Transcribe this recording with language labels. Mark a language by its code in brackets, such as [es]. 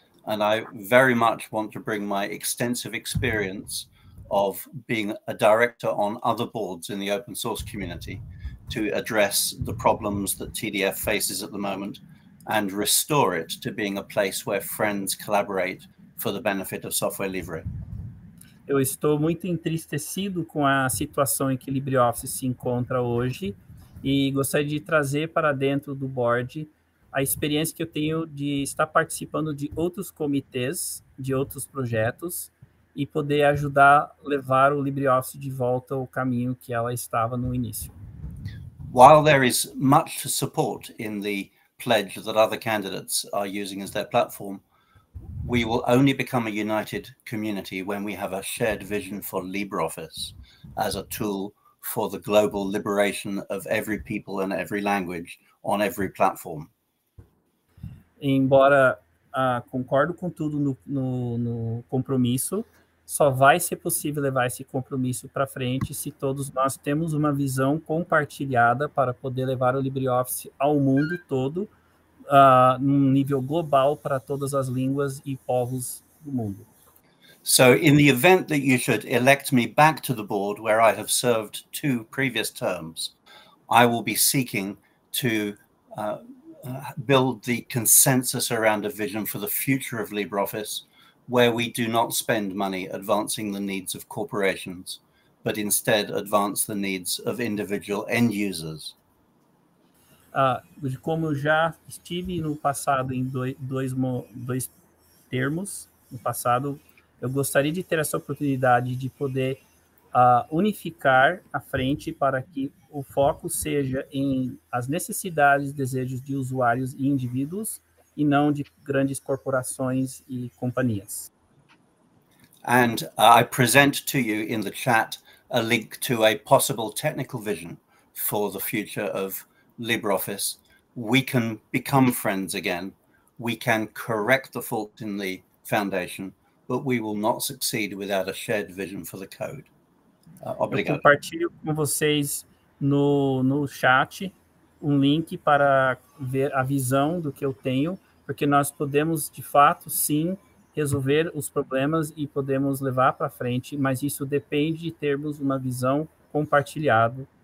[en] and I very much want to bring my extensive experience of being a director on other boards in the open source community to address the problems that TDF faces at the moment and restore it to being a place where friends collaborate for the benefit of software livre. [pt] Eu estou muito entristecido com a situação em que LibreOffice se encontra hoje e gostaria de trazer para dentro do board a experiência que eu tenho de estar participando de outros comitês, de outros projetos e poder ajudar a levar o LibreOffice de volta ao caminho que ela estava no início. [en] While there is much to support in the pledge that other candidates are using as their platform, we will only become a united community when we have a shared vision for LibreOffice as a tool for the global liberation of every people and every language on every platform. [pt] Embora concordo com tudo no compromisso, só vai ser possível levar esse compromisso para frente se todos nós temos uma visão compartilhada para poder levar o LibreOffice ao mundo todo. Num nível global para todas as línguas e povos do mundo. [en] So, in the event that you should elect me back to the board where I have served two previous terms, I will be seeking to build the consensus around a vision for the future of LibreOffice, where we do not spend money advancing the needs of corporations, but instead advance the needs of individual end users. [pt] Como já estive no passado em dois termos, no passado, eu gostaria de ter essa oportunidade de poder unificar a frente para que o foco seja em as necessidades, desejos de usuários e indivíduos e não de grandes corporações e companhias. [en] And I present to you in the chat a link to a possible technical vision for the future of LibreOffice, we can become friends again, we can correct the fault in the foundation, but we will not succeed without a shared vision for the code. [pt] Obrigado. Eu compartilho com vocês no chat um link para ver a visão do que eu tenho, porque nós podemos, de fato, sim, resolver os problemas e podemos levar para frente, mas isso depende de termos uma visão compartilhada.